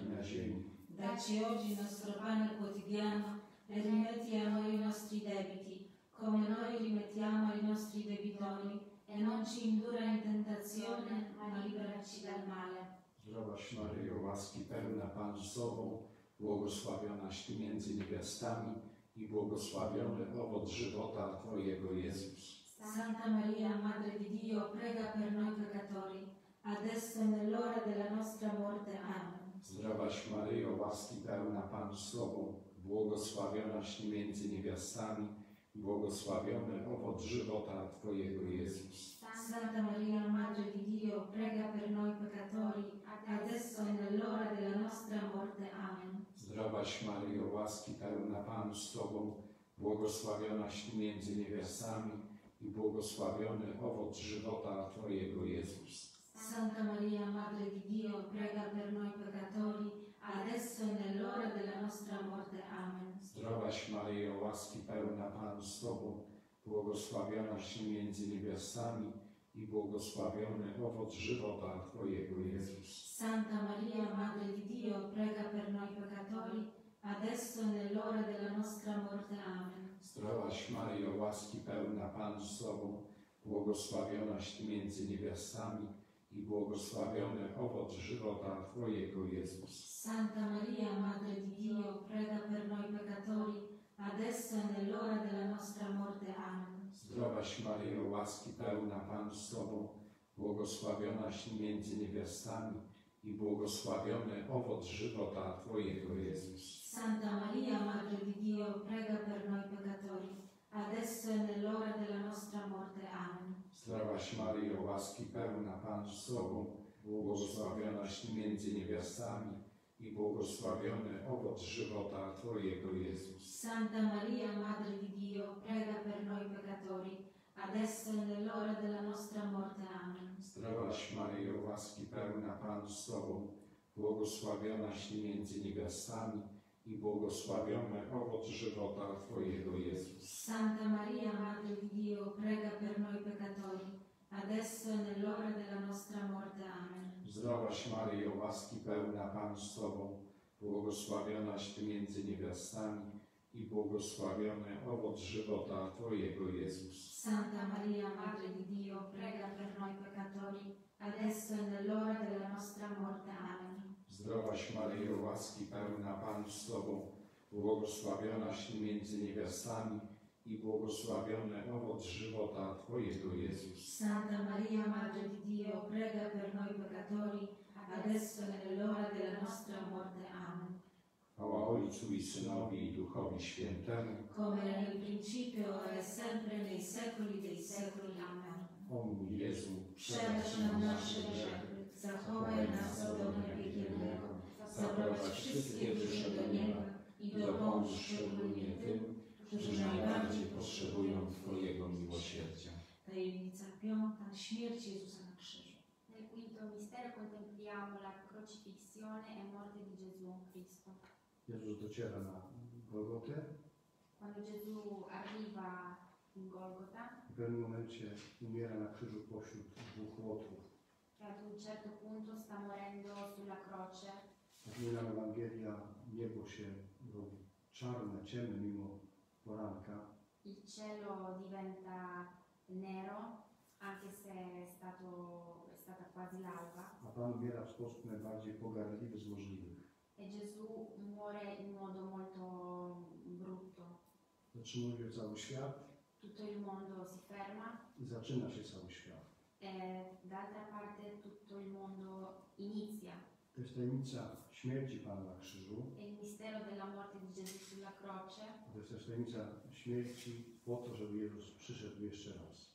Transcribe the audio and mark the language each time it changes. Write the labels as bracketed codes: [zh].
[it] Dacci oggi il nostro pane quotidiano e rimetti a noi i nostri debiti, come noi rimettiamo ai nostri debitori, e non ci indurre in tentazione, ma liberaci dal male. [pl] Zdrowaś Maryjo, łaski pełna, Pan z Tobą, błogosławionaś Ty między niewiastami i błogosławiony owoc żywota Twojego, Jezus. [it] Santa Maria, Madre di Dio, prega per noi peccatori, adesso nell'ora della nostra morte. Amen. [pl] Zdrowaś Maryjo, łaski pełna, Pan z Tobą, błogosławionaś Ty między niewiastami i błogosławiony owoc żywota Twojego, Jezus. [it] Santa Maria, Madre di Dio, prega per noi peccatori, adesso è nell'ora della nostra morte. Amen. [pl] Zdrowaś Maryjo, łaski pełna, Pan z Tobą, błogosławionaś Ty między niewiastami i błogosławiony owoc żywota Twojego, Jezus. [it] Santa Maria, Madre di Dio, prega per noi peccatori, adesso è nell'ora della nostra morte. Amen. [pl] Zdrowaś Maryjo, łaski pełna, Pan z Tobą, błogosławionaś Ty między niewiastami i błogosławiony owoc żywota Twojego, Jezus. [it] Santa Maria, Madre di Dio, prega per noi peccatori, adesso è nell'ora della nostra morte. Amen. [pl] Zdrowaś Maryjo, łaski pełna, Pan z Tobą, błogosławionaś Ty między niewiastami i błogosławiony owoc żywota Twojego, Jezus. [it] Santa Maria, Madre di Dio, prega per noi peccatori, adesso è nell'ora della nostra morte. Amen. [pl] Zdrowaś Maryjo, łaski pełna, Pan z Tobą, błogosławionaś Ty między niewiastami i błogosławiony owoc żywota Twojego, Jezus. [it] Santa Maria, Madre di Dio, prega per noi peccatori, adesso è nell'ora della nostra morte. Amen. [pl] Zdrowaś Maryjo, łaski pełna, Pan z Tobą, błogosławionaś Ty między niewiastami i błogosławiony owoc żywota Twojego, Jezus. [it] Santa Maria, Madre di Dio, prega per noi peccatori, adesso è nell'ora della nostra morte. Amen. [pl] Zdrowaś Maryjo, łaski pełna, Pan z Tobą, błogosławionaś Ty między niewiastami i błogosławiony owoc żywota Twojego, Jezus. [it] Santa Maria, Madre di Dio, prega per noi peccatori, adesso è nell'ora della nostra morte. Amen. [pl] Zdrowaś Maryjo, łaski pełna, Pan z Tobą, błogosławionaś Ty między niewiastami i błogosławiony owoc żywota Twojego, Jezus. [it] Santa Maria, Madre di Dio, prega per noi peccatori, adesso è nell'ora della nostra morte. Amen. [pl] Zdrowaś Maryjo, łaski pełna, Pan z Tobą, błogosławionaś Ty między niewiastami i błogosławiony owoc żywota Twojego, Jezus. [it] Santa Maria, Madre di Dio, prega per noi peccatori, adesso è l'ora della nostra morte. Amen. [pl] Chwała Ojcu i Synowi i Duchowi Świętemu. [it] Come era in principio, ora e sempre, nei secoli dei secoli. Amen. [pl] O mój Jezu, przebacz nam nasze grzechy, zachowaj nas od ognia piekielnego, zaprowadź wszystkie dusze do nieba i dopomóż szczególnie tym, którzy najbardziej potrzebują Twojego miłosierdzia. Tajemnica piąta, śmierć Jezusa na krzyżu. Niech [it] quinto mistero contempliamo la crocifissione e morte di Gesù Cristo. Gesù c'era a Golgotha. Quando Gesù arriva in Golgotha, in quel momento [pl] umiera na krzyżu pośród dwóch łotrów. [it] Che ad un certo punto sta morendo sulla croce. [pl] Zmienia Ewangelia, niebo się robi czarne, ciemne mimo poranka. [it] Il cielo diventa nero, anche se è stata quasi l'alba. [pl] A Pan umiera w sposób najbardziej pogardliwy z możliwych. [it] E Gesù muore in modo molto brutto. [pl] Zatrzymuje cały świat. [it] Tutto il mondo si ferma. [pl] Zaczyna się cały świat. [it] E d'altra parte tutto il mondo inizia. [pl] To jest tajemnica śmierci Pana na krzyżu. [it] E il mistero della morte di Gesù sulla croce. [pl] To jest też tajemnica śmierci po to, żeby Jezus przyszedł jeszcze raz.